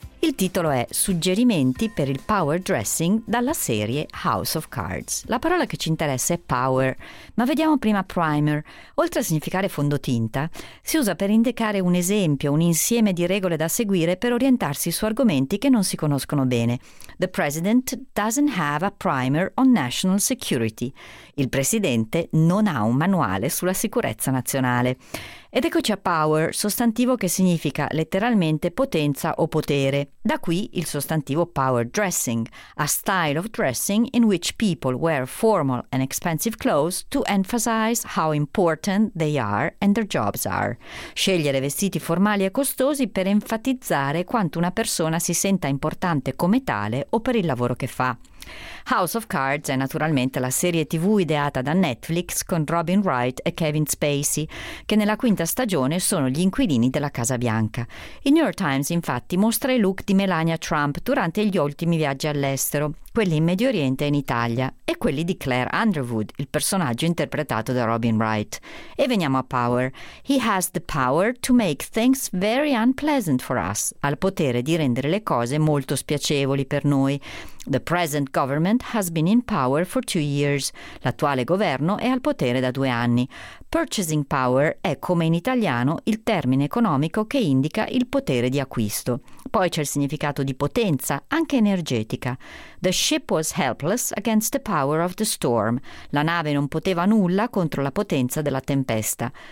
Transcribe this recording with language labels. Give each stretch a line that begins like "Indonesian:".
Italian: Il titolo è Suggerimenti per il power dressing dalla serie House of Cards. La parola che ci interessa è power, ma vediamo prima primer. Oltre a significare fondotinta, si usa per indicare un esempio, un insieme di regole da seguire per orientarsi su argomenti che non si conoscono bene.
English: The president doesn't have a primer on national security.
Italian: Il presidente non ha un manuale sulla sicurezza nazionale. Ed eccoci a power, sostantivo che significa letteralmente potenza o potere. Da qui il sostantivo
English: power dressing, a style of dressing in which people wear formal and expensive clothes to emphasize how important they are and their jobs are.
Italian: Scegliere vestiti formali e costosi per enfatizzare quanto una persona si senta importante come tale o per il lavoro che fa. House of Cards è naturalmente la serie TV ideata da Netflix con Robin Wright e Kevin Spacey, che nella quinta stagione sono gli inquilini della Casa Bianca. Il New York Times infatti mostra i look di Melania Trump durante gli ultimi viaggi all'estero, quelli in Medio Oriente e in Italia, e quelli di Claire Underwood, il personaggio interpretato da Robin Wright. E veniamo a power.
English: He has the power to make things very unpleasant for us.
Italian: Ha il potere di rendere le cose molto spiacevoli per noi.
English: The present government has been in power for 2 years.
Italian: L'attuale governo è al potere da 2 anni. Purchasing power è, come in italiano, il termine economico che indica il potere di acquisto. Poi c'è il significato di potenza, anche energetica.
English: The ship was helpless against the power of the storm.
Italian: La nave non poteva nulla contro la potenza della tempesta.